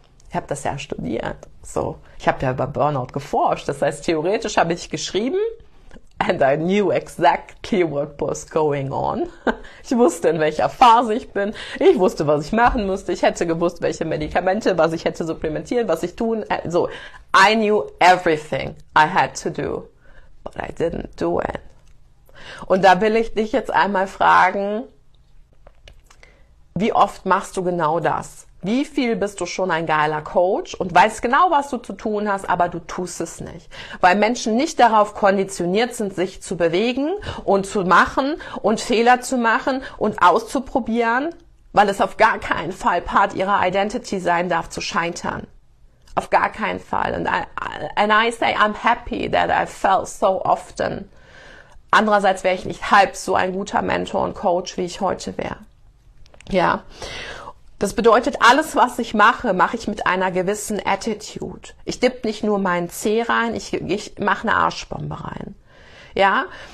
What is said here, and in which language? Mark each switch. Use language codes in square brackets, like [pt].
[de] Ich habe das ja studiert. So, ich habe ja über Burnout geforscht. Das heißt, theoretisch habe ich geschrieben, [en] and I knew exactly what was going on. [de] Ich wusste, in welcher Phase ich bin. Ich wusste, was ich machen musste. Ich hätte gewusst, welche Medikamente, was ich hätte supplementieren, was ich tun. [en] So, I knew everything I had to do, but I didn't do it. [de] Und da will ich dich jetzt einmal fragen, Wie oft machst du genau das? Wie viel bist du schon ein geiler Coach und weißt genau, was du zu tun hast, aber du tust es nicht? Weil Menschen nicht darauf konditioniert sind, sich zu bewegen und zu machen und Fehler zu machen und auszuprobieren, weil es auf gar keinen Fall Part ihrer Identity sein darf, zu scheitern. Auf gar keinen Fall. [en] And I say, I'm happy that I fell so often. [de] Andererseits wäre ich nicht halb so ein guter Mentor und Coach, wie ich heute wäre. Ja. Das bedeutet, alles, was ich mache, mache ich mit einer gewissen Attitude. Ich dippe nicht nur meinen Zeh rein, ich mache eine Arschbombe rein. Ja.